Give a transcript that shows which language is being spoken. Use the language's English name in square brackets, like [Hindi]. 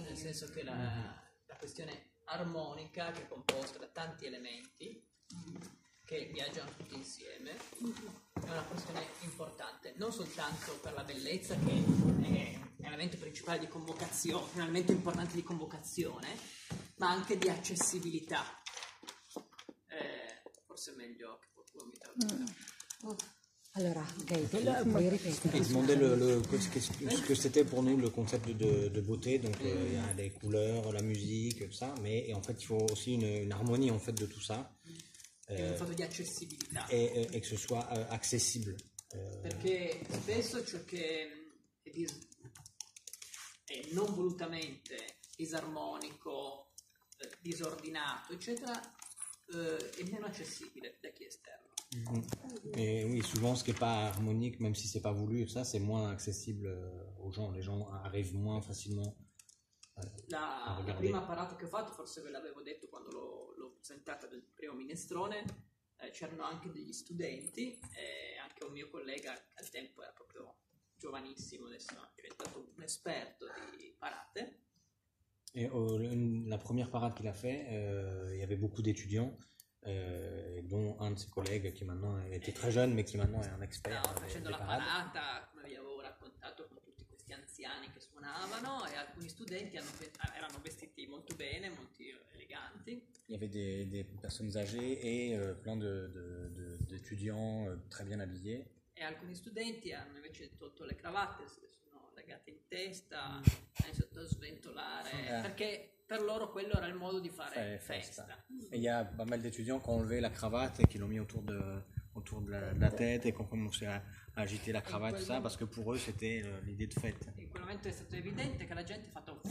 [Italian] Nel senso che la questione armonica che è composta da tanti elementi che viaggiano tutti insieme è una questione importante non soltanto per la bellezza che è l'elemento principale di convocazione, un elemento importante di convocazione, ma anche di accessibilità. Forse è meglio che qualcuno mi traduca. Allora, ok, quello puoi ripetere. Mi domandai [French] ce que c'était pour nous le concept de beauté, donc il y a les couleurs, la musique, tout ça, mais en fait il faut aussi une harmonie en fait de tout ça. [Italian] Un fatto di accessibilità. E che sia accessibile. Perché spesso ciò che è non volutamente disarmonico, disordinato, eccetera, è meno accessibile da chi è esterno. Mmh. [French] Et oui, souvent ce qui n'est pas harmonique, même si c'est pas voulu, ça c'est moins accessible aux gens. Les gens arrivent moins facilement à regarder. [Italian] La prima parata che ho fatto, forse ve l'avevo detto quando l'ho presentata del primo minestrone, c'erano anche degli studenti, anche un mio collega al tempo era proprio giovanissimo, adesso è diventato un esperto di parate. [French] Et la première parata qu'il a fait, il y avait beaucoup d'étudiants. Dont un de ses collègues qui maintenant était très jeune mais qui maintenant est un expert. [Italian] No, facendo la parata, come vi avevo raccontato, con tutti questi anziani che suonavano e alcuni studenti erano vestiti molto bene, molto eleganti. [French] Il y avait des personnes âgées et plein de d'étudiants très bien habillés. [Italian] E alcuni studenti hanno invece tolto le cravatte, se sono legate in testa, hanno iniziato a sventolare perché per loro quello era il modo di fare festa. [French] E il y a pas mal d'étudiants qui ont enlevé la cravate et qui l'ont mis autour de la tête et qui ont commencé à agiter la cravate, ça, parce que pour eux c'était l'idée de fête. [Italian] In quel momento è stato evidente che la gente ha fatto